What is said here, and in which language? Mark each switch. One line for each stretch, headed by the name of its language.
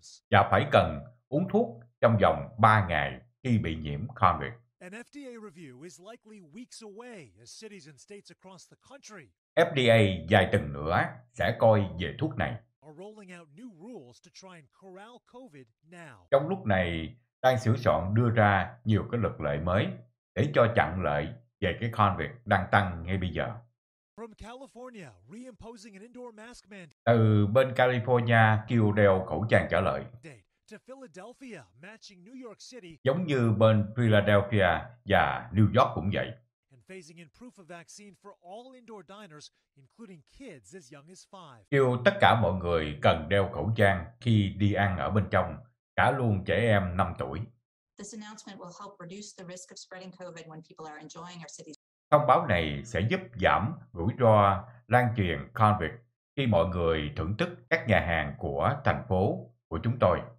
Vietnamese: Và phải cần uống thuốc trong vòng 3 ngày khi bị nhiễm COVID.
English: An FDA review is likely weeks away as cities and states across the country.
Vietnamese: FDA dài tuần nữa sẽ coi về thuốc này.
English: Are rolling out new rules to try and corral COVID now.
Vietnamese: Trong lúc này đang sửa soạn đưa ra nhiều cái luật lệ mới để cho chặn lại về cái COVID đang tăng ngay bây giờ.
English: From California, reimposing an indoor mask mandate.
Vietnamese: Từ bên California kêu đeo khẩu trang trở lại.
English: Philadelphia matching New York City.
Vietnamese: Giống như bên Philadelphia và New York cũng vậy.
English: And phasing in proof of vaccine for all indoor diners, including kids as young as 5.
Vietnamese: Kêu tất cả mọi người cần đeo khẩu trang khi đi ăn ở bên trong, cả luôn trẻ em 5 tuổi.
English: This announcement will help reduce the risk of spreading COVID when people are enjoying our city.
Vietnamese: Thông báo này sẽ giúp giảm rủi ro lan truyền COVID khi mọi người thưởng thức các nhà hàng của thành phố của chúng tôi.